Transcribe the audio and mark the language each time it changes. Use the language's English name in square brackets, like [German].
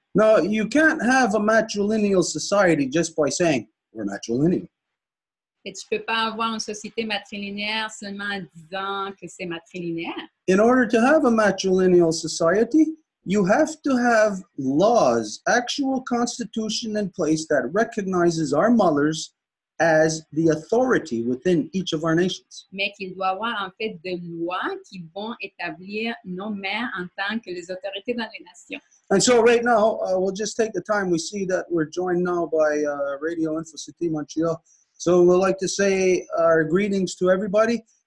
[English] No, you can't have a matrilineal society just by saying, we're matrilineal. [French] Et tu ne peux pas avoir une société matrilinéaire seulement en disant que c'est matrilinéaire. [English] In order to have a matrilineal society, you have to have laws, actual constitution in place that recognizes our mothers as the authority within each of our nations. [French] Mais qu'il doit y avoir en fait des lois qui vont établir nos mères en tant que les autorités dans les nations. [English] And so right now, we'll just take the time. We see that we're joined now by Radio Info City Montreal. So we'd like to say our greetings to everybody.